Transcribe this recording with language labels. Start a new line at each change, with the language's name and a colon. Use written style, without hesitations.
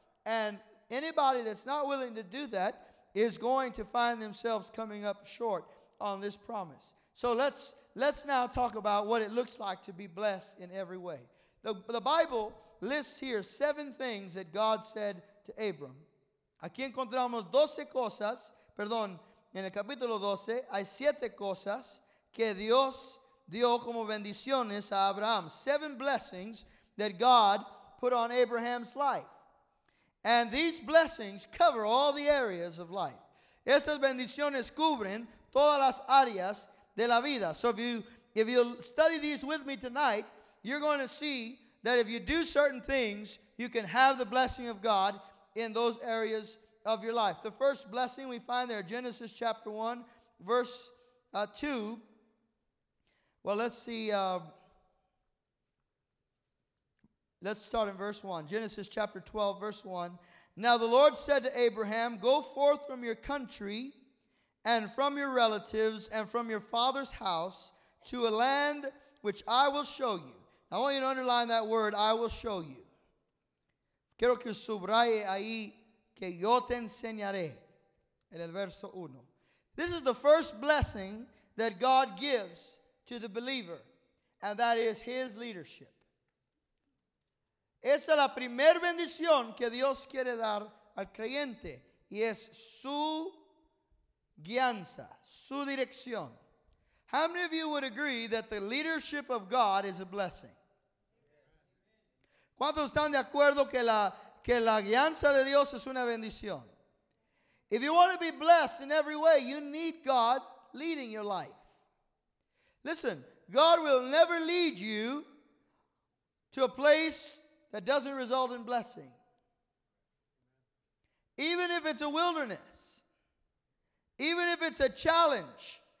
English: And anybody that's not willing to do that is going to find themselves coming up short on this promise. So let's now talk about what it looks like to be blessed in every way. The Bible lists here seven things that God said to Abram.
Spanish: Aquí encontramos 12 cosas, perdón, en el capítulo 12 hay 7 cosas que Dios dio como bendiciones a Abraham.
English: 7 blessings that God put on Abraham's life. And these blessings cover all the areas of life.
Spanish: Estas bendiciones cubren todas las áreas de la vida.
English: So if you study these with me tonight, you're going to see that if you do certain things, you can have the blessing of God in those areas of your life. The first blessing we find there, Genesis chapter 1, verse 2. Well, let's see. Let's start in verse 1. Genesis chapter 12, verse 1. Now the Lord said to Abraham, go forth from your country and from your relatives and from your father's house to a land which I will show you. I want you to underline that word, I will show you.
Spanish: Quiero que subraye ahí que yo te enseñaré. En el verso 1.
English: This is the first blessing that God gives to the believer, and that is his leadership.
Spanish: Esa es la primera bendición que Dios quiere dar al creyente, y es su guianza, su dirección.
English: How many of you would agree that the leadership of God is a blessing?
Spanish: ¿Cuántos están de acuerdo que la guianza de Dios es una bendición?
English: If you want to be blessed in every way, you need God leading your life. Listen, God will never lead you to a place that doesn't result in blessing. Even if it's a wilderness, even if it's a challenge.